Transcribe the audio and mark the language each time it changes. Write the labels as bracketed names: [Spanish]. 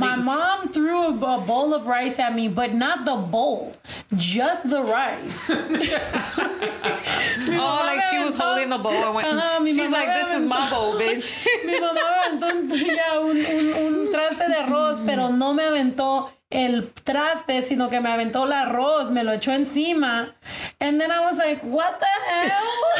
[English] My mom threw a bowl of rice at me, but not the bowl, just the rice. Oh, like she was holding the bowl and went, she's like, this is my bowl, bitch. [Spanish] Mi mamá aventó ya un traste de arroz, pero no me aventó el traste, sino que me aventó el arroz, me lo echó encima. [English] And then I was like, what the hell?